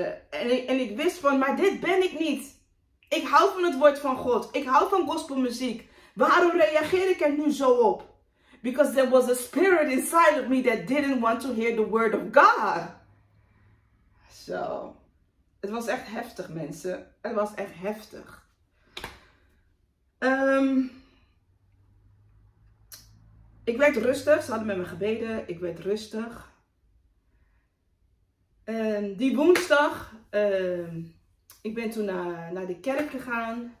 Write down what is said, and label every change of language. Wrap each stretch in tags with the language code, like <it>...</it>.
<nl>En ik wist van, maar dit ben ik niet. Ik hou van het woord van God. Ik hou van gospelmuziek. Waarom reageer ik er nu zo op?</nl> <en>Because there was a spirit inside of me that didn't want to hear the word of God.</en> <nl>Zo. Het was echt heftig, mensen. Het was echt heftig. Ik werd rustig. Ze hadden met me gebeden. Ik werd rustig. Die woensdag. Ik ben toen naar de kerk gegaan.</nl>